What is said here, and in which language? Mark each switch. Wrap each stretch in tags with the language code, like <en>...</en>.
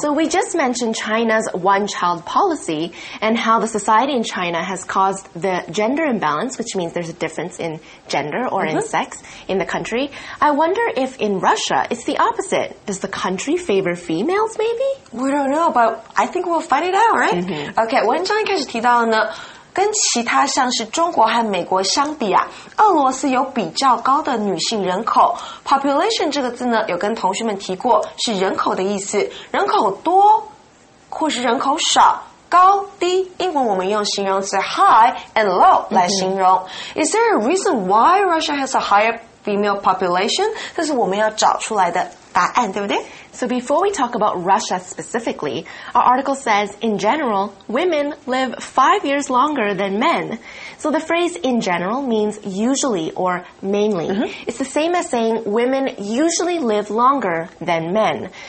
<en>So we just mentioned China's one-child policy and how the society in China has caused the gender imbalance, which means there's a difference in gender or、mm-hmm. in sex in the country. I wonder if in Russia, it's the opposite. Does the country favor females, maybe? We don't know, but I think we'll find it out, right?、 Mm-hmm.</en> <zh>Okay, 文章开始提到了呢。跟其他像是中国和美国相比啊，俄罗斯有比较高的女性人口。 Population 这个字呢，有跟同学们提过，是人口的意思。人口多，或是人口少，高低，英文我们用形容词</zh> <en>high and low</en> <zh>来形容。Mm-hmm.</zh> <en>Is there a reason why Russia has a higher female population?</en> <zh>这是我们要找出来的答案，对不对？</zh> <en>So before we talk about Russia specifically, our article says, in general, women live 5 years longer than men. So the phrase in general means usually or mainly. Mm-hmm. It's the same as saying women usually live longer than men.</en>